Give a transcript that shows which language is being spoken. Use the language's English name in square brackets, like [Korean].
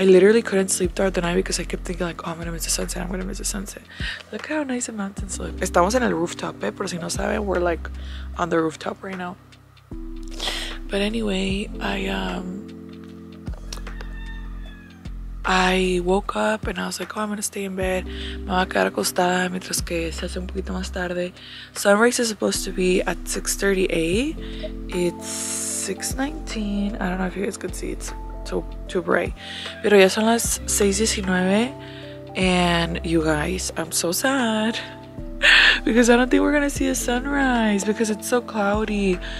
[English] I literally couldn't sleep throughout the night because I kept thinking, like, oh, I'm gonna miss the sunset. Look how nice the mountains look. [Spanish] Estamos en el rooftop, pero si no saben, [English] we're, like, on the rooftop right now. But anyway, I woke up and I was like, oh, I'm gonna stay in bed. [Spanish] Me voy a quedar acostada mientras que se hace un poquito más tarde. [English] Sunrise is supposed to be at 6:38. It's 6:19. I don't know if you guys could see, it's too bright. [Spanish] Pero ya son las 6:19 [English] and you guys, I'm so sad because I don't think we're gonna see a sunrise because it's so cloudy.